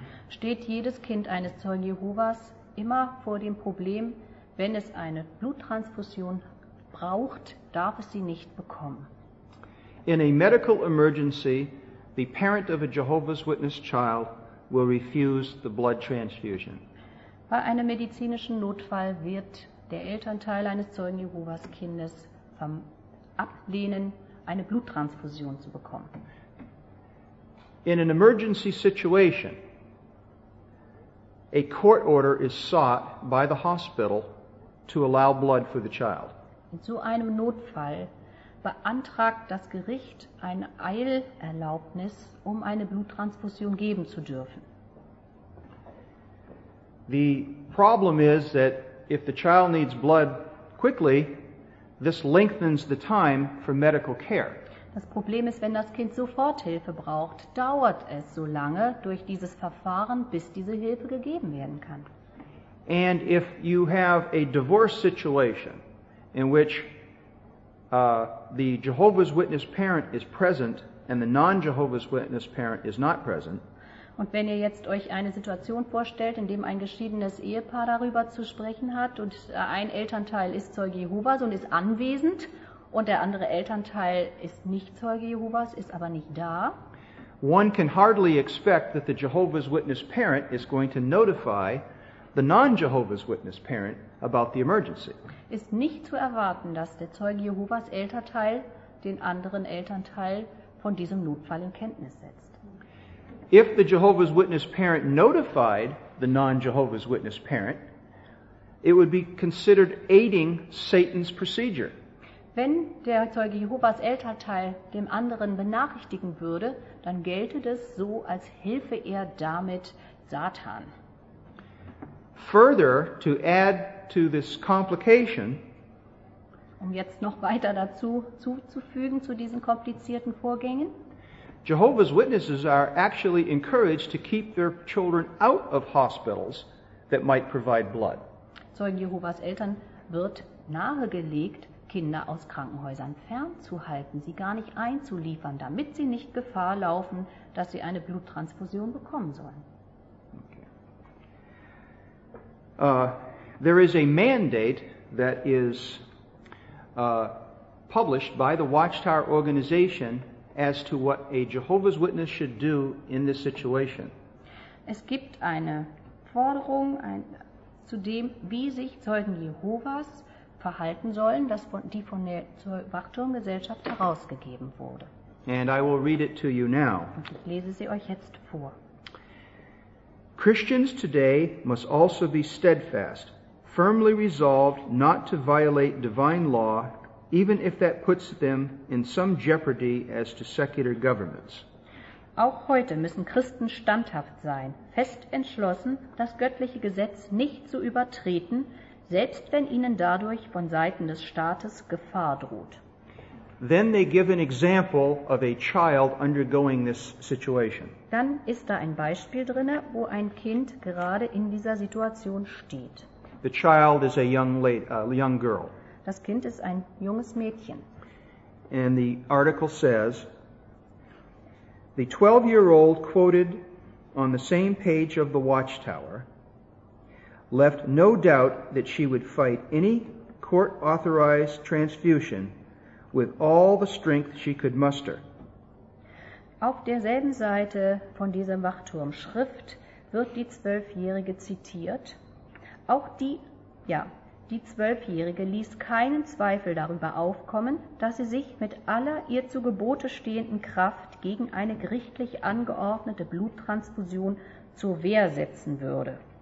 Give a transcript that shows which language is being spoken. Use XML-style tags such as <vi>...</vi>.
<de>Steht jedes Kind eines Zeugen Jehovas immer vor dem Problem, wenn es eine Bluttransfusion braucht, darf es sie nicht bekommen.</de> <en>In a medical emergency, the parent of a Jehovah's Witness child will refuse the blood transfusion.</en> <de>Bei einem medizinischen Notfall wird der Elternteil eines Zeugen Jehovas Kindes ablehnen, eine Bluttransfusion zu bekommen.</de> <en>In an emergency situation, a court order is sought by the hospital to allow blood for the child.</en> <de>In so einem Notfall beantragt das Gericht eine Eilerlaubnis, um eine Bluttransfusion geben zu dürfen.</de> <en>The problem is that if the child needs blood quickly, this lengthens the time for medical care.</en> <de>Das Problem ist, wenn das Kind sofort Hilfe braucht, dauert es so lange durch dieses Verfahren, bis diese Hilfe gegeben werden kann.</de> <en>And if you have a divorce situation in which the Jehovah's Witness parent is present and the non-Jehovah's Witness parent is not present.</en> <de>Und wenn ihr jetzt euch eine Situation vorstellt, in dem ein geschiedenes Ehepaar darüber zu sprechen hat und ein Elternteil ist Zeuge Jehovas und ist anwesend und der andere Elternteil ist nicht Zeuge Jehovas, ist aber nicht da.</de> <en>One can hardly expect that the Jehovah's Witness parent is going to notify the non-Jehovah's Witness parent about the emergency.</en> <de>Ist nicht zu erwarten, dass der Zeuge Jehovas Elternteil den anderen Elternteil von diesem Notfall in Kenntnis setzt.</de> <en>If the Jehovah's Witness parent notified the non-Jehovah's Witness parent, it would be considered aiding Satan's procedure.</en> <de>Wenn der Zeuge Jehovas Elternteil dem anderen benachrichtigen würde, dann gelte das so, als helfe er damit Satan.</de> <en>Further, to add to this complication,</en> <de>um jetzt noch weiter dazu zuzufügen zu diesen komplizierten Vorgängen,</de> <en>Jehovah's Witnesses are actually encouraged to keep their children out of hospitals that might provide blood.</en> <de>Zeugen Jehovas Eltern wird nahegelegt, Kinder aus Krankenhäusern fernzuhalten, sie gar nicht einzuliefern, damit sie nicht Gefahr laufen, dass sie eine Bluttransfusion bekommen sollen.</de> <en>Okay. There is a mandate that is published by the Watchtower organization as to what a Jehovah's Witness should do in this situation.</en> <de>Es gibt eine Forderung zu dem, wie sich Zeugen Jehovas verhalten sollen, die von der Wachturmgesellschaft herausgegeben wurde.</de> <en>And I will read it to you now.</en> <de>Und ich lese sie euch jetzt vor.</de> <en>Christians today must also be steadfast, firmly resolved not to violate divine law, even if that puts them in some jeopardy as to secular governments.</en> <de>Auch heute müssen Christen standhaft sein, fest entschlossen, das göttliche Gesetz nicht zu übertreten, selbst wenn ihnen dadurch von Seiten des Staates Gefahr droht.</de> <en>Then they give an example of a child undergoing this situation.</en> <de>Dann ist da ein Beispiel drin, wo ein Kind gerade in dieser Situation steht.</de> <en>The child is a young girl.</en> <de>Das Kind ist ein junges Mädchen.</de> <en>And the article says, the 12-year-old quoted on the same page of the Watchtower left no doubt that she would fight any court-authorized transfusion with all the strength she could muster.</en> <de>Auf derselben Seite von dieser Wachturmschrift wird die 12-Jährige zitiert. Auch die 12-Jährige ließ keinen Zweifel darüber aufkommen, dass sie sich mit aller ihr zu Gebote stehenden Kraft gegen eine gerichtlich angeordnete Bluttransfusion zur Wehr setzen würde.</de>